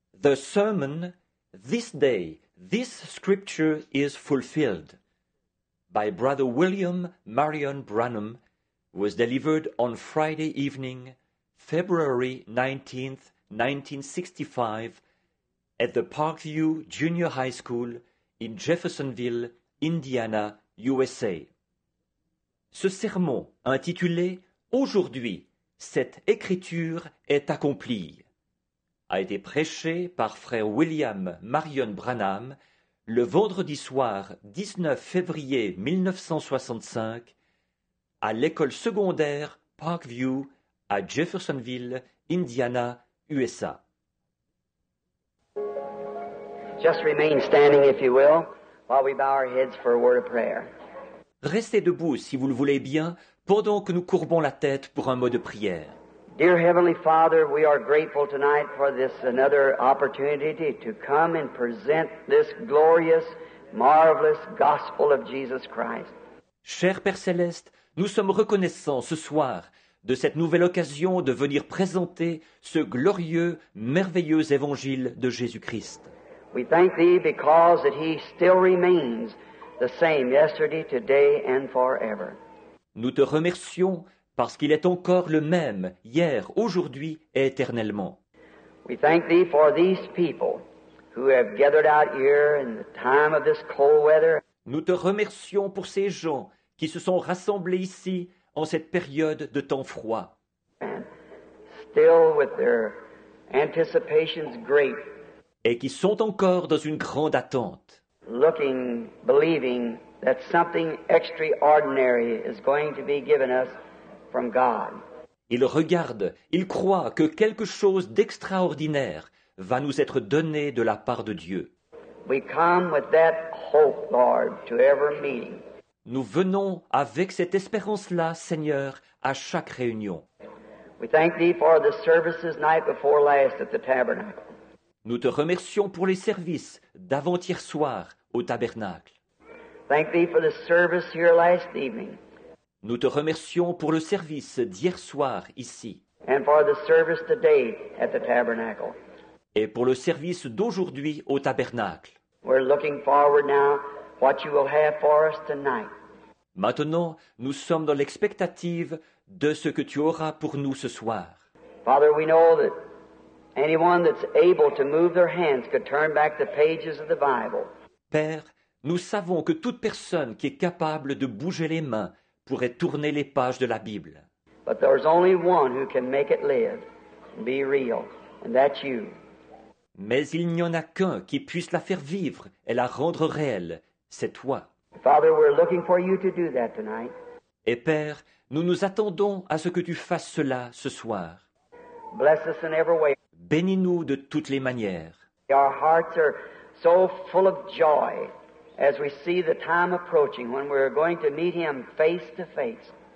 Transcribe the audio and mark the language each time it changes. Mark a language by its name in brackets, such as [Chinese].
[English] the sermon, this day, this scripture is fulfilled, by Brother William Marion Branham, was delivered on Friday evening, February 19, 1965, at the Parkview Junior High School in Jeffersonville, Indiana, USA. [French] Ce sermon intitulé « Aujourd'hui, cette écriture est accomplie » a été prêché par Frère William Marion Branham le vendredi soir 19 février 1965 à l'école secondaire Parkview à Jeffersonville, Indiana, USA. [English] Just remain standing if you will, while we bow our heads for a word of prayer. [French] Restez debout si vous le voulez bien, pendant que nous courbons la tête pour un mot de prière. [English] Dear Heavenly Father, we are grateful tonight for this another opportunity to come and present this glorious, marvelous gospel of Jesus Christ. [French] Cher Père Céleste, nous sommes reconnaissants ce soir de cette nouvelle occasion de venir présenter ce glorieux, merveilleux évangile de Jésus-Christ. [English] We thank Thee because that He still remains the same yesterday, today, and forever. [French] Nous te remercions parce qu'il est encore le même, hier, aujourd'hui et éternellement. [English] We thank Thee for these people who have gathered out here in the time of this cold weather. [French] Nous te remercions pour ces gens qui se sont rassemblés ici en cette période de temps froid. [English] And still with their anticipations great. [French] Et qui sont encore dans une grande attente. [English] Looking, believing that something extraordinary is going to be given us from God. [French] Ils regardent, ils croient que quelque chose d'extraordinaire va nous être donné de la part de Dieu. [English] We come with that hope, Lord, to every meeting. [French] Nous venons avec cette espérance-là, Seigneur, à chaque réunion. [English] We thank Thee for the services night before last at the tabernacle. [French] Nous te remercions pour les services d'avant-hier soir au tabernacle. [English] Thank Thee for the service here last evening. [French] Nous te remercions pour le service d'hier soir ici. [English] And for the service today at the tabernacle. [French] Et pour le service d'aujourd'hui au tabernacle. [English] We're looking forward now what You will have for us tonight. [French] Maintenant, nous sommes dans l'expectative de ce que Tu auras pour nous ce soir. [English] Father, we know that anyone that's able to move their hands could turn back the pages of the Bible. [French] Père, nous savons que toute personne qui est capable de bouger les mains pourrait tourner les pages de la Bible. [English] But there's only one who can make it live, be real, and that's You. [French] Mais il n'y en a qu'un qui puisse la faire vivre et la rendre réelle, c'est Toi. [English] Father, we're looking for You to do that tonight. [French] Et Père, nous nous attendons à ce que Tu fasses cela ce soir. [English] Bless us in every way. [French] Bénis-nous de toutes les manières. [English] Our hearts are so full of joy as we see the time approaching when we're going to meet Him face to face.